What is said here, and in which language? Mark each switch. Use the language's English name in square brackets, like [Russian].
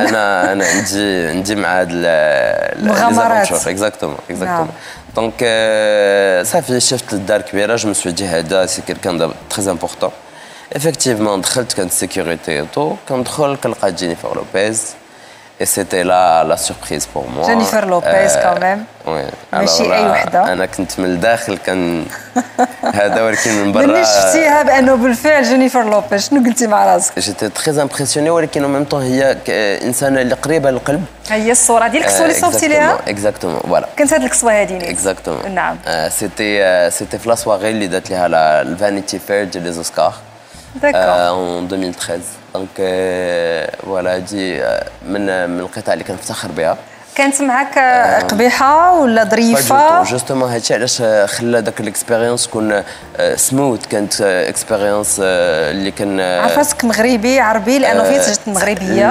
[Arabic] انا عندي مع هاد المغامرات. اكزاكتومون. دونك صافي شفت الدار كبيره جو مسوي دي هذا [French] سي كيلكان تريز امبورطون. [Arabic] افكتيفمون دخلت كانت سيكيوريتي تو كندخل كنلقى جينيفر لوبيز. [French] Et c'était là la surprise pour moi. Jennifer Lopez quand même. Oui. Mais alors, là, [Arabic] أنا كنت من الداخل كان هذا ولكن من برا. منين شفتيها بأنه بالفعل جينيفر لوبيز شنو قلتي مع راسك؟ [French] J'étais très impressionné [Arabic] ولكن [French] en même temps [Arabic] هي إنسانة اللي قريبة للقلب. هي الصورة دي الكسوة اللي صوبتي ليها؟ [French] Exactement. Voilà. [Arabic] كانت هذه الكسوة هذه. [French] Exactement. [Arabic] نعم. [French] C'était [Arabic] في لا سواغي اللي دات ليها [French] la Vanity Fair de les Oscars. D'accord. En 2013. Donc voilà, j'ai [Arabic] من القطع اللي كنفتخر بها. كانت معك قبيحة ولا ظريفة؟ جوستومون هادشي علاش خلى داك الاكسبيريونس تكون سموث. كانت اكسبيريونس اللي كان عرفتك مغربي عربي لأنه في تجربة مغربية.